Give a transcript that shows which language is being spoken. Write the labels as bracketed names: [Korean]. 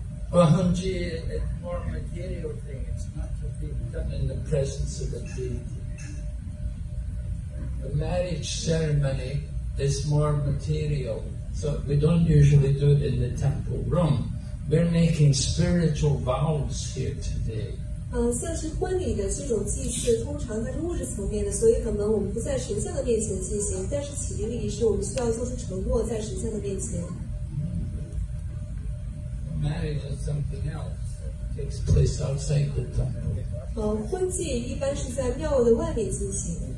[English] Bahamji is more material thing, it's not to be done in the presence of the deity. The marriage ceremony is more material, so we don't usually do it in the temple room. We're making spiritual vows here today. [Chinese] 像是婚礼的这种祭祀，通常在物质层面的，所以可能我们不在神像的面前进行，但是起灵仪式，我们需要做出承诺，在神像的面前。 [English] Marriage is something else that takes place outside the temple. [Chinese] 婚祭一般是在庙的外面进行。